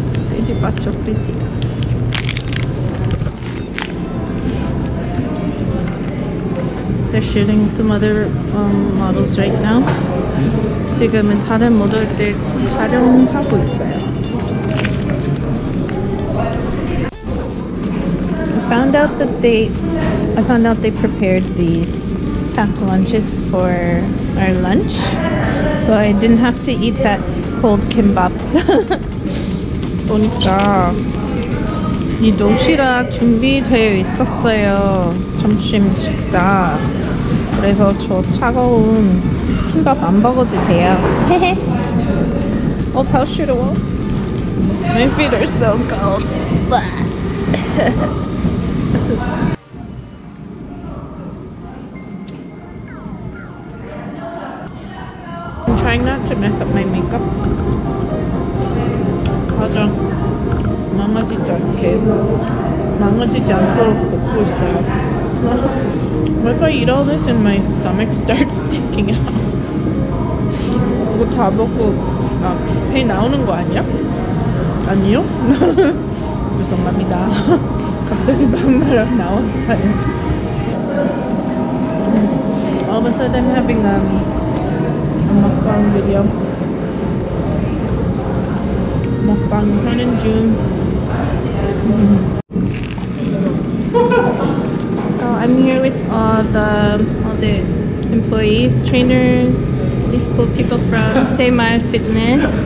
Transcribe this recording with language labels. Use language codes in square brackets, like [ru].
[ko] 돼지바 초콜릿이야. [en] 쉐딩 some other models right now. [ko] 지금은 다른 모델들 촬영하고 있어요. [en] I found out they prepared these packed lunches for our lunch. So I didn't have to eat that cold kimbap. [ko] 보니까 이 도시락 준비되어 있었어요. 점심 식사. 그래서 저 차가운 김밥 안 먹어도 돼요. 헤헤. 어, 다 싫어. [en] My feet are so cold. I'm trying not to mess up my makeup. [ko] 화장 망가지지 않게 망가지지 않도록 먹고 있어요. [en] What if I eat all this and my stomach starts sticking out? [ko] 이거 다 먹고 아, 배 나오는 거 아니야? 아니요? 죄송합니다. 갑자기 막말하고 나왔어요. [en] All of a sudden I'm having a mukbang video. [ko] Mukbang 하는 중. [en] I'm here with all the employees, trainers, these cool people from 세마의 Fitness.